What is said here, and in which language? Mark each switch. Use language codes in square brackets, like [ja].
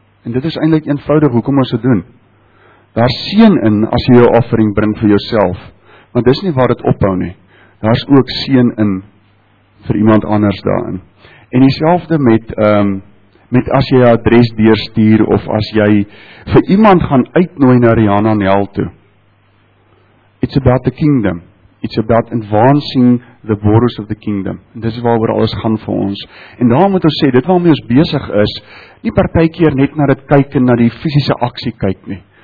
[af] En dit is eintlik eenvoudig hoekom ons dit doen. Daar seën in as jy jou offering bring vir jouself, want dis nie waar dit ophou nie. Daar's ook seën in vir iemand anders daarin. En dieselfde met as jy jou adres deurstuur of as jy vir iemand gaan uitnooi na Rihanna Nel toe. [en] It's about the kingdom. It's about advancing the borders of the kingdom. [af] En dis waar oor alles gaan vir ons. En daarom moet ons sê, dit waarmee ons besig is, nie partykeer net na dit kyk en na die fisiese aksie kyk nie.